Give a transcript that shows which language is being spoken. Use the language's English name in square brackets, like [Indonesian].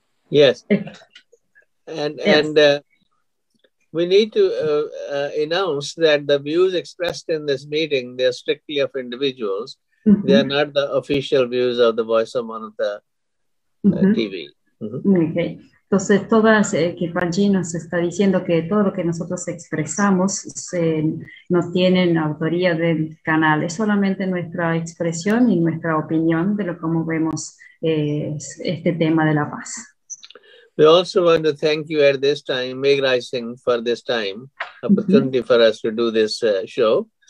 [English] Yes. We need to announce that the views expressed in this meeting, they are strictly of individuals. Mm-hmm. They are not the official views of the Voice of Manuta TV. Mm-hmm. Okay. [Spanish] Entonces, todas, Kirpanchi nos está diciendo que todo lo que nosotros expresamos no tienen autoría del canal. Es solamente nuestra expresión y nuestra opinión de lo cómo vemos este tema de la paz. [English] We also want to thank you at this time, Meghraj Singh, for this time, opportunity for us to do this show.